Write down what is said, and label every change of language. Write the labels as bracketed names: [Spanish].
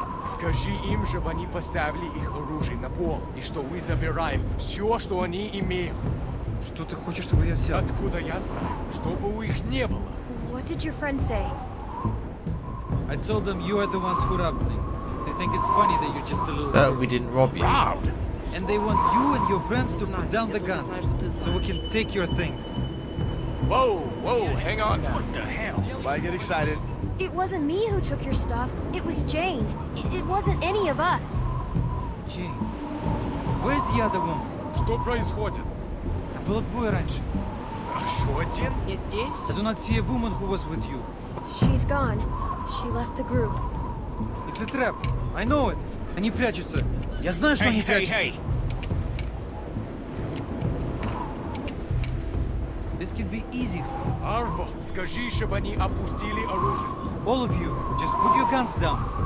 [Russian] Скажи им, чтобы они поставили их оружие на пол, и что мы забираем все, что они имеют. Что ты хочешь, чтобы я взял? Откуда я знаю? Чтобы у их не было. [English] What did your friend say? I told them you are the ones who robbed me. They think it's funny that you're just a little... We didn't rob you. Robbed. And they want you and your friends to put down the guns, so we can take your things. Whoa, hang on now. What the hell? Why get excited? It wasn't me who took your stuff, it was Jane. It wasn't any of us. Jane, where's the other woman? [Russian] Что происходит? Было двое раньше. Хорошо, один? Не здесь? [English] I do not see a woman who was with you. She's gone. She left the group. It's a trap. I know it. [Russian] Они прячутся. Я знаю, что они прячутся. [English] This could be easy for you. [Russian] Arvo, скажи, чтобы они опустили оружие. [English] All of you, just put your guns down.